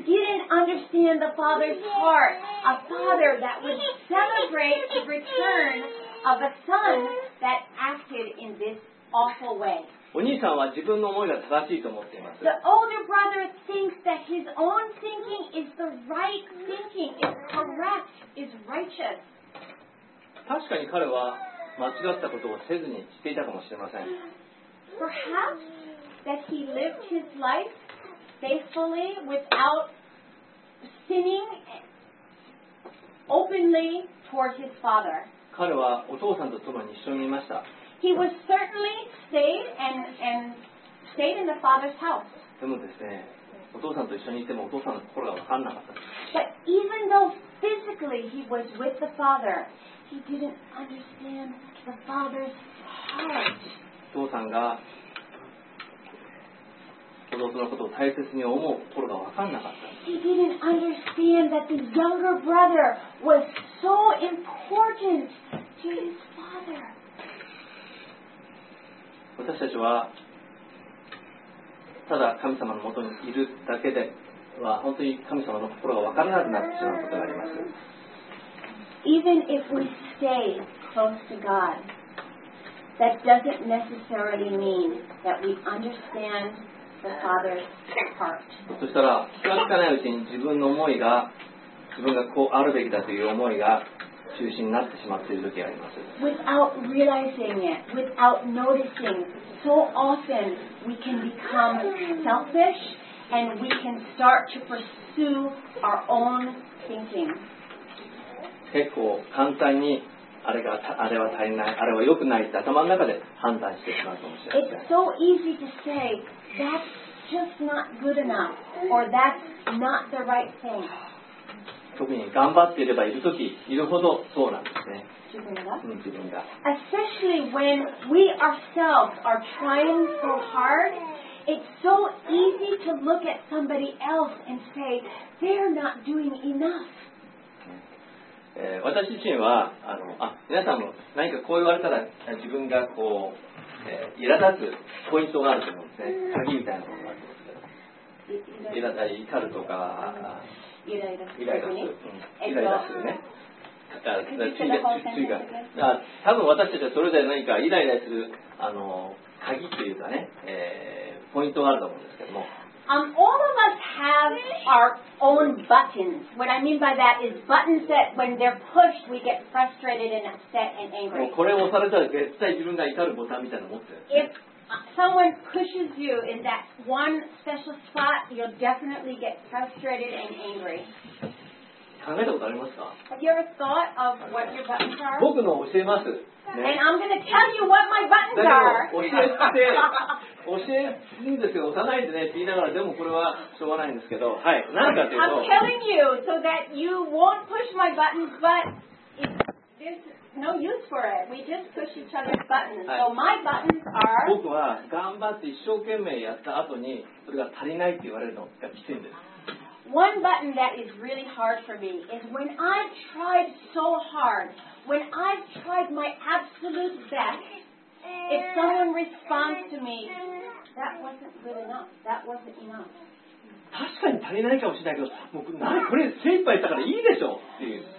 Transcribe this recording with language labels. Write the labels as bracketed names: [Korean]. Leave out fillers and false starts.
[English] He didn't understand the father's heart, a father that would celebrate the return of a son that acted in this awful way. [Japanese] お兄さんは自分の思いが正しいと思っています。 [English] The older brother thinks that his own thinking is the right thinking, is correct, is righteous. [Japanese] 確かに彼は間違ったことをせずに知っていたかもしれません。 [English] Perhaps that he lived his life faithfully without sinning openly toward his father. [Japanese] 彼はお父さんと共に一緒にいました。 [English] He was certainly stayed in the father's house. [Japanese] でもですね、お父さんと一緒にいてもお父さんの心が分かんなかった。 [English] But even though physically he was with the father, he didn't understand the father's heart. [Japanese] お父さんが弟のことを大切に思う心が分かんなかった。 [English] He didn't understand that the younger brother was so important to his father. [Japanese] 私たちはただ神様のもとにいるだけでは本当に神様の心が分からなくなってしまうことがあります。 [English] Even if we stay close to God. That doesn't necessarily mean that we understand the Father's heart. [Japanese] そしたら気がつかないうちに自分の思いが自分がこうあるべきだという思いが中心になってしまっている時があります。 [English] Without realizing it, without noticing, so often we can become selfish and we can start to pursue our own thinking. [Japanese] 結構簡単にあれがあれは足りない、あれは良くないって頭の中で判断してしまうかもしれません。 [English] It's so easy to say that's just not good enough or that's not the right thing. [Japanese] 特に頑張っていればいるときいるほどそうなんですね。自分が。 [English] Especially when we ourselves are trying so hard, it's so easy to look at somebody else and say they're not doing enough. [Japanese] 私自身は皆さんも何かこう言われたら自分がこう、苛立つポイントがあると思うんですね。鍵みたいなものがあると思うんですけど、イライラするね。多分私たちはそれぞれ何かイライラする鍵というかね、ポイントがあると思うんですけども、 [English] All of us have our own buttons. What I mean by that is buttons that when they're pushed, we get frustrated and upset and angry. [Japanese] これを押されたら絶対自分が怒るボタンみたいなの持ってる。 [English] If someone pushes you in that one special spot, you'll definitely get frustrated and angry. [Japanese] 考えたことありますか? [English] Have you ever thought of what your buttons are? [Japanese] 僕の教えます。 [English] ね、And I'm going to tell you what my buttons are. [Japanese] 教えるんですけど、押さないでねって言いながら、でもこれはしょうがないんですけど、はい、何かというと、 [English] I'm telling you so that you won't push my buttons, but there's no use for it. We just push each other's buttons.、はい、so my buttons are. [Japanese] 僕は頑張って一生懸命やった後に、それが足りないって言われるのがきついんです。 [English] One button that is really hard for me is when I tried so hard, when I tried my absolute best, if someone responds to me, that wasn't good enough, that wasn't enough. [Japanese] 確かに足りないかもしれないけど、もう何これ精一杯だからいいでしょっていう。